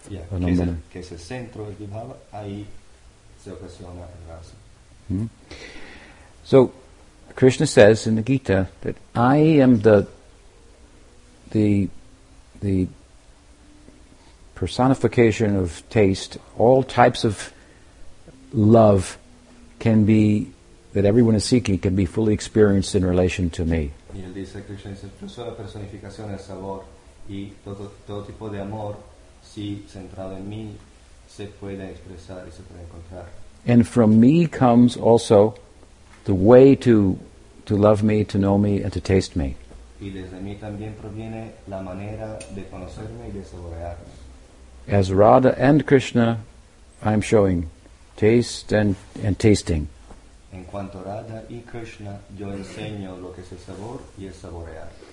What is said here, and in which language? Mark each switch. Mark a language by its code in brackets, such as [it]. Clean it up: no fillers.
[es] Yeah, que es el centro del Vibhav, ahí se ocasiona el rasa. [en] So, Krishna says in the Gita that I am the personification of taste. All types of love can be, that everyone is seeking, can be fully experienced in relation to me. [es] Y él dice, Krishna dice, yo soy la personificación del sabor y todo tipo de amor, si centrado en mí, se puede expresar y se puede encontrar. [en] And from me comes also the way to love me, to know me, and to taste me. [es] Y desde mí también proviene la manera de conocerme y de saborearme. [en] As Radha and Krishna, I am showing taste and tasting. [es] En cuanto a Radha y Krishna, yo enseño lo que es el sabor y el saborear.